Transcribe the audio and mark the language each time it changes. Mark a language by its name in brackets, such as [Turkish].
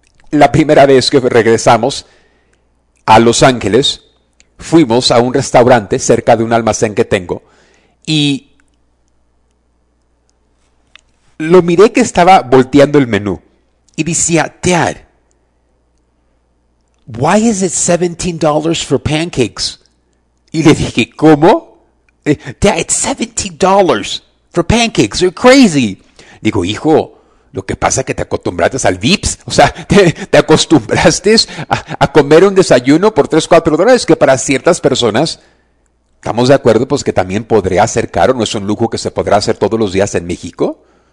[Spanish] La primera vez que regresamos a Los Ángeles, fuimos a un restaurante cerca de un almacén que tengo y lo miré que estaba volteando el menú y decía, [English] Dad, why is it $17 for pancakes? [Spanish] Y le dije, ¿cómo? [English] Dad, it's $17 for pancakes, you're crazy. [Spanish] Digo, hijo, lo que pasa es que te acostumbraste al Vips, o sea, te acostumbraste a comer un desayuno por 3, $4, que para ciertas personas, estamos de acuerdo, pues que también podría ser caro, no es un lujo que se podrá hacer todos los días en México.